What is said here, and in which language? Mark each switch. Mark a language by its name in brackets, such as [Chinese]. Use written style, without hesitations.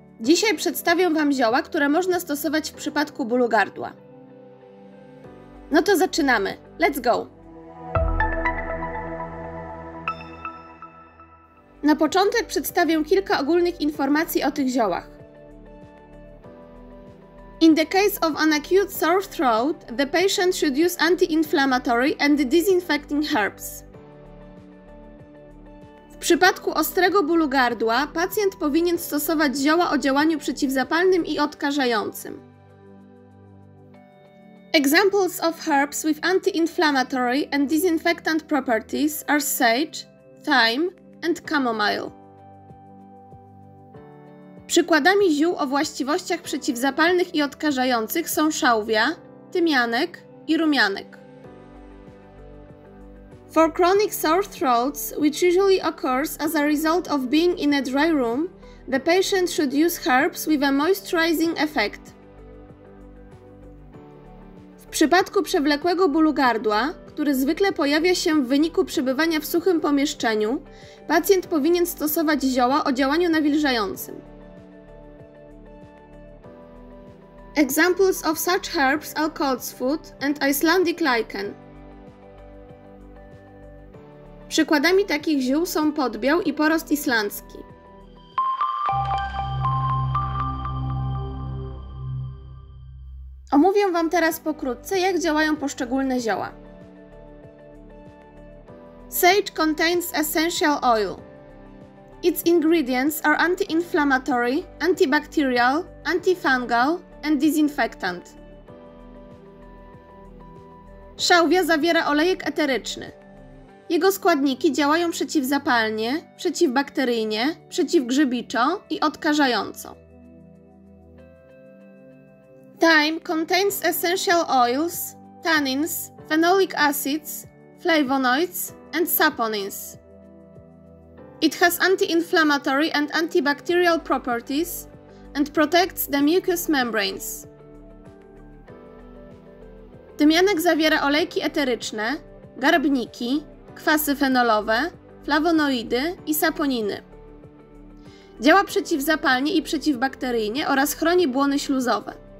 [Polish] Dzisiaj przedstawię Wam zioła, które można stosować w przypadku bólu gardła. No to zaczynamy. [English] Let's go! [Polish] Na początek przedstawię kilka ogólnych informacji o tych ziołach. [English] In the case of an acute sore throat, the patient should use anti-inflammatory and disinfecting herbs. [Polish] W przypadku ostrego bólu gardła, pacjent powinien stosować zioła o działaniu przeciwzapalnym i odkażającym. [English] Examples of herbs with anti-inflammatory and disinfectant properties are sage, thyme and chamomile. [Polish] Przykładami ziół o właściwościach przeciwzapalnych i odkażających są szałwia, tymianek i rumianek. [English] For chronic sore throats, which usually occurs as a result of being in a dry room, the patient should use herbs with a moisturizing effect. [Polish] W przypadku przewlekłego bólu gardła, który zwykle pojawia się w wyniku przebywania w suchym pomieszczeniu, pacjent powinien stosować zioła o działaniu nawilżającym. [English] Examples of such herbs are coltsfoot and Icelandic lichen. [Polish] Przykładami takich ziół są podbiał i porost islandzki. Omówię Wam teraz pokrótce, jak działają poszczególne zioła. [English] Sage contains essential oil. Its ingredients are anti-inflammatory, antibacterial, antifungal and disinfectant. [Polish] Szałwia zawiera olejek eteryczny. Jego składniki działają przeciwzapalnie, przeciwbakteryjnie, przeciwgrzybiczo i odkażająco. [English] Thyme contains essential oils, tannins, phenolic acids, flavonoids and saponins. It has anti-inflammatory and antibacterial properties and protects the mucous membranes. [Polish] Tymianek zawiera olejki eteryczne, garbniki, kwasy fenolowe, flawonoidy i saponiny. Działa przeciwzapalnie i przeciwbakteryjnie oraz chroni błony śluzowe.